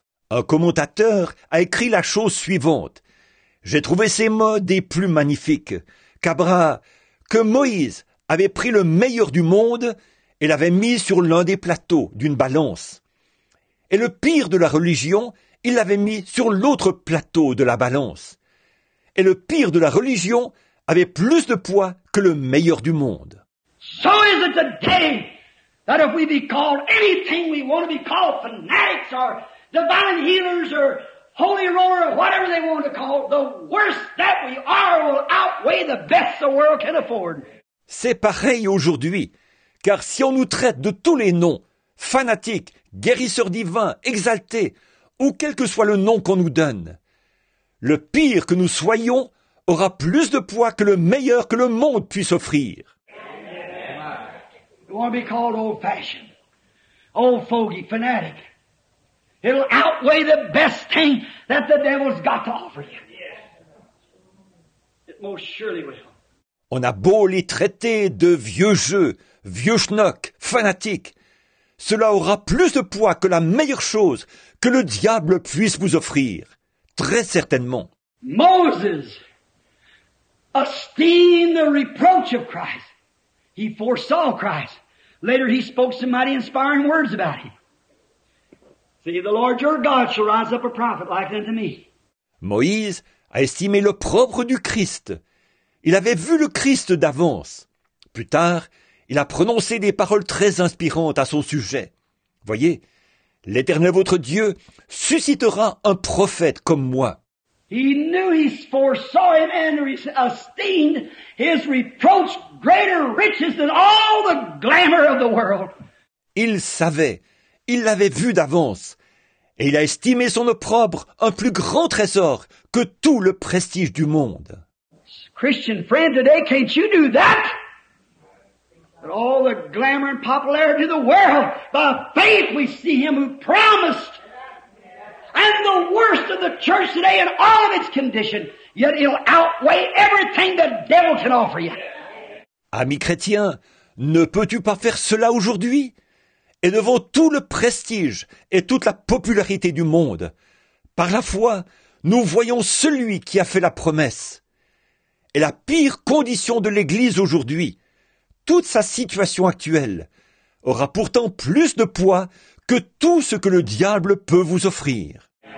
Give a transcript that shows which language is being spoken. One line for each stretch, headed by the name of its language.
French: Un commentateur a écrit la chose suivante. J'ai trouvé ces mots des plus magnifiques. Que Moïse avait pris le meilleur du monde et l'avait mis sur l'un des plateaux d'une balance. Et le pire de la religion, il l'avait mis sur l'autre plateau de la balance. Et le pire de la religion avait plus de poids que le meilleur du monde.
English: So is it today that if we be called anything we want to be called, fanatics or divine healers or holy roller or whatever they want to call, the worst that we are will outweigh the best the world can afford.
French: C'est pareil aujourd'hui, car si on nous traite de tous les noms, fanatiques, guérisseurs divins, exaltés, ou quel que soit le nom qu'on nous donne, le pire que nous soyons aura plus de poids que le meilleur que le monde puisse offrir.
English: You want to be called old-fashioned, old fogey, fanatic. It'll outweigh the best thing that the devil's got to offer you. It most surely will.
French: On a beau les traiter de vieux jeux, vieux schnock, fanatiques. Cela aura plus de poids que la meilleure chose que le diable puisse vous offrir. Très certainement.
English: Moses esteemed the reproach of Christ. He foresaw Christ. Later he spoke some mighty inspiring words about him. See, the Lord your God shall rise up a prophet like unto me.
French: Moïse a estimé l'opprobre du Christ. Il avait vu le Christ d'avance. Plus tard, il a prononcé des paroles très inspirantes à son sujet. Voyez, l'Éternel votre Dieu suscitera un prophète comme moi.
English: He knew he foresaw him and esteemed his reproach greater riches than all the glamour of the world.
French: Il savait, il l'avait vu d'avance, et il a estimé son opprobre un plus grand trésor que tout le prestige du monde.
English: Christian friend, today can't you do that? But all the glamour and popularity of the world, by faith we see him who promised. And the worst of the church today in all of its condition, yet it'll outweigh everything the devil can offer you.
French: Ami chrétien, ne peux-tu pas faire cela aujourd'hui? Et devant tout le prestige et toute la popularité du monde, par la foi, nous voyons celui qui a fait la promesse. Et la pire condition de l'Église aujourd'hui, toute sa situation actuelle, aura pourtant plus de poids que tout ce que le diable peut vous offrir.